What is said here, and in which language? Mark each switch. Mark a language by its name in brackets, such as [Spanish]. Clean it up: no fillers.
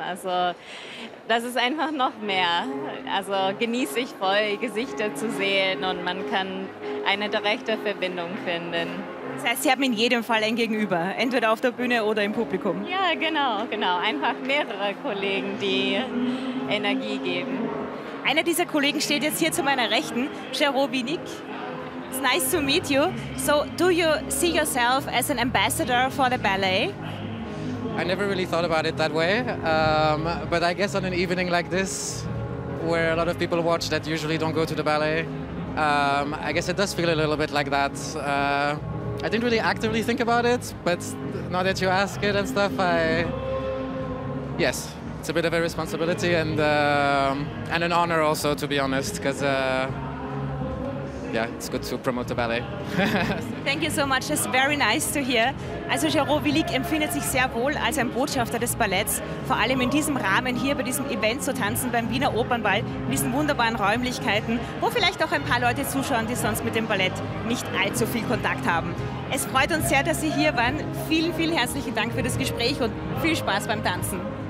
[German] Also das ist einfach noch mehr. Also genieße ich voll, Gesichter zu sehen und man kann eine direkte Verbindung finden. Das heißt, Sie haben in jedem Fall ein Gegenüber, entweder auf der Bühne oder im Publikum. Ja, genau. Einfach mehrere Kollegen, die Energie geben. Einer dieser Kollegen steht jetzt hier zu meiner Rechten, Jero Wilik. [English] It's nice to meet you. So, do you see yourself as an ambassador for the ballet? I never really thought about it that way. But I guess on an evening like this, where a lot of people watch that usually don't go to the ballet, I guess it does feel a little bit like that. I didn't really actively think about it, but now that you ask it and stuff, yes, it's a bit of a responsibility and an honor also, to be honest, because, it's good to promote the ballet. Thank you so much, it's very nice to hear. [German] Also Jero Wilik empfindet sich sehr wohl als ein Botschafter des Balletts, vor allem in diesem Rahmen hier bei diesem Event zu tanzen, beim Wiener Opernball, in diesen wunderbaren Räumlichkeiten, wo vielleicht auch ein paar Leute zuschauen, die sonst mit dem Ballett nicht allzu viel Kontakt haben. Es freut uns sehr, dass Sie hier waren. Vielen, vielen herzlichen Dank für das Gespräch und viel Spaß beim Tanzen.